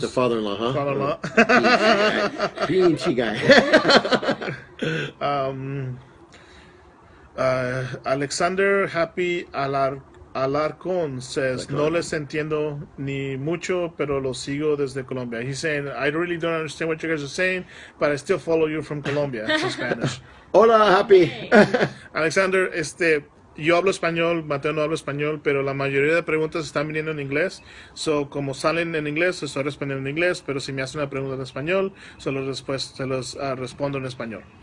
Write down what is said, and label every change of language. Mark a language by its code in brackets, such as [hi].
[en] The father-in-law, huh? Father-in-law. PNC guy. Alexander Happy [es] Alarcón says, "No les entiendo ni mucho, pero lo sigo desde Colombia." [en] He's saying, "I really don't understand what you guys are saying, but I still follow you from Colombia." It's in Spanish. [es] Hola, Happy. Alexander, yo hablo español, Mateo no habla español, pero la mayoría de preguntas están viniendo en inglés. [en] So, [es] como salen en inglés, estoy respondiendo en inglés, pero si me hacen una pregunta en español, solo después se los respondo en español.